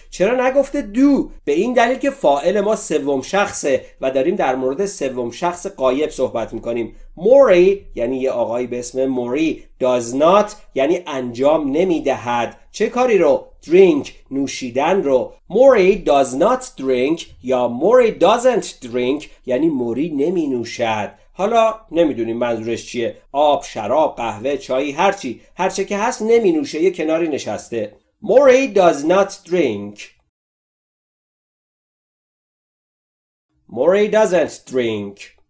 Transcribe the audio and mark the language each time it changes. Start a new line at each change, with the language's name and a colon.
Persian: چرا نگفته do؟ به این دلیل که فاعل ما سوم شخصه و داریم در مورد سوم شخص غایب صحبت میکنیم. Maury یعنی یه آقایی به اسم Maury.
English: Does not
Persian: یعنی انجام نمیدهد. چه کاری رو؟ drink نوشیدن رو.
English: Maury does not drink یا Maury doesn't drink
Persian: یعنی Maury نمی نوشد. حالا نمیدونیم منظورش چیه، آب، شراب، قهوه، چای، هرچی، هرچه که هست نمی نوشه، یه کناری نشسته.
English: Maury does not drink. Maury doesn't drink.